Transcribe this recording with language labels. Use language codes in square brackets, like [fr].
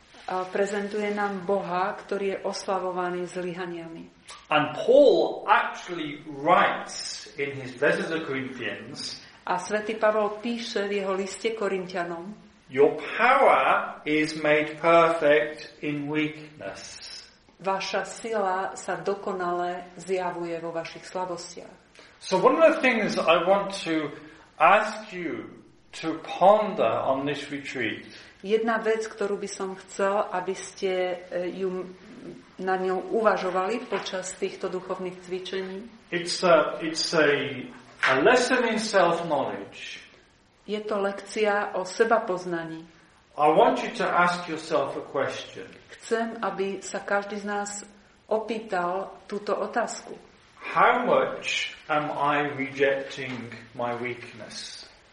[sk] A prezentuje nám Boha, ktorý je oslavovaný zlyhaniami. [en] And Paul actually writes in his letter to Corinthians. [sk] A svätý Pavol píše v jeho liste Korinťanom. [en] Your power is made perfect in weakness. [sk] Vaša sila sa dokonale zjavuje vo vašich slabostiach. [en] So one of the things I want to ask you to ponder on this retreat. [sk] Jedna vec, ktorú by som chcel, aby ste ju na ňou uvažovali počas týchto duchovných cvičení. [en] It's a lesson in self-knowledge. [sk] Je to lekcia o sebapoznaní. [en] I want you to ask yourself a question. [sk] Chcem, aby sa každý z nás opýtal túto otázku. [en] How much am I rejecting my weakness?